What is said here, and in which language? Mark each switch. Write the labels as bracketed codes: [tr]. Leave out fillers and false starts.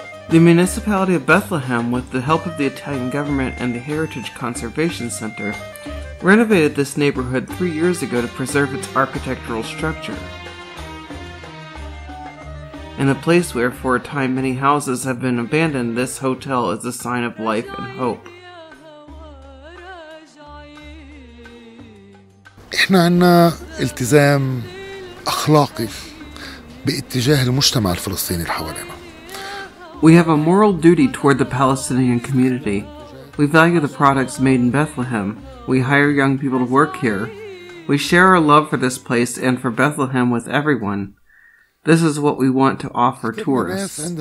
[en] The municipality of Bethlehem, with the help of the Italian government and the Heritage Conservation Center, renovated this neighborhood 3 years ago to preserve its architectural structure. In a place where, for a time, many houses have been abandoned, this hotel is a sign of life and hope. [ar] إحنا عنا التزام أخلاقي باتجاه المجتمع الفلسطيني اللي حوالينا. [en] We have a moral duty toward the Palestinian community. We value the products made in Bethlehem. We hire young people to work here. We share our love for this place and for Bethlehem with everyone. This is what we want to offer tourists.